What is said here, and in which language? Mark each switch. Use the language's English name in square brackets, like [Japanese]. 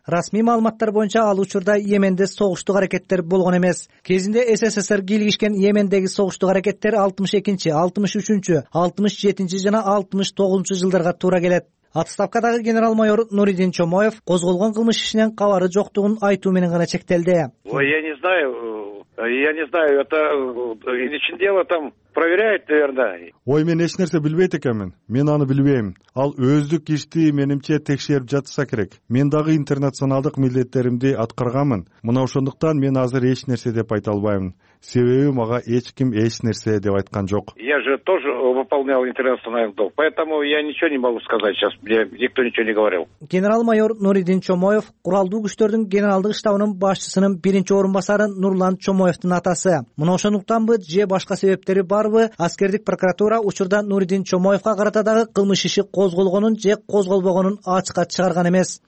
[Kyrgyz] Расмий маалыматтар боюнча ал учурда Йеменде согуштук аракеттер болгон эмес. Кезинде СССР кийлигишкен Йемендеги согуштук аракеттер 62, 63, 67 жана 69 жылдарга туура келет. Отставкадагы генерал-майор Нуридин Чомоев козголгон кылмыш ишинен кабары жоктугун айтуу менен гана чектелди. [Russian] Ой, я не знаю, это из чин дело там проверяют, наверное. [Kyrgyz] Ой, мен эч нерсе билбейт экенмин. Мен аны билбейм. Ал өздүк ишти менимче текшерип жатса керек. Мен дагы интернационалдык милдеттеримди аткарганмын. Мына ошондуктан мен азыр эч нерсе деп айта албайм. Себеби мага эч ким эч нерсе деп айткан жок. [Russian] Я же тоже выполнял интернациональный долг. Поэтому я ничего не могу сказать сейчас. Мне никто ничего не говорил. [Kyrgyz] Генерал-майор Нуридин Чомоев куралдуу күчтөрдүн генералдык штабынын башчысынын биринчи орун басары Нурлан Чомоевдин атасы. Мына ошондуктан бы же башка себептери барбы, аскердик прокуратура учурда Нуридин Чомоевга карата дагы кылмыш иши козголгонун же козголбогонун ачыкка чыгарган эмес.